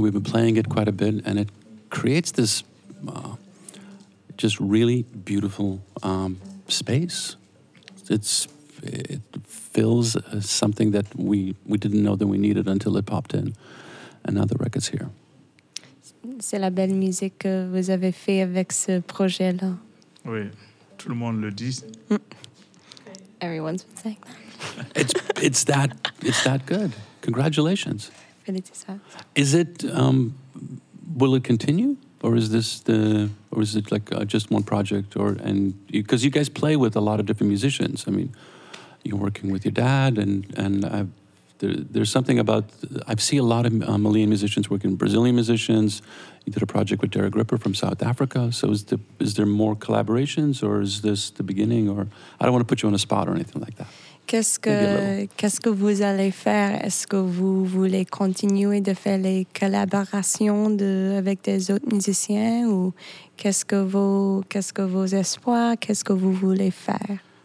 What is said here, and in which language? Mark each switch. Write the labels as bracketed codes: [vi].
[en] We've been playing it quite a bit, and it creates this just really beautiful space. It fills something that we didn't know that we needed until it popped in. And now the record's here. [fr] C'est la belle musique que vous avez fait avec ce projet-là. Oui, tout le monde le dit. [en] Everyone's been saying that. It's that good. Congratulations. Felicitas. Is it will it continue, or is this the, or is it like just one project, or, and because you guys play with a lot of different musicians. I mean, you're working with your dad, and there's something about, I see a lot of Malian musicians working with Brazilian musicians. You did a project with Derek Ripper from South Africa. So is there more collaborations, or is this the beginning, or I don't want to put you on a spot or anything like that. [fr] Qu'est-ce que vous allez faire? Est-ce que vous voulez continuer de faire les collaborations avec des autres musiciens, ou qu'est-ce que vos espoirs? Qu'est-ce que vous voulez faire?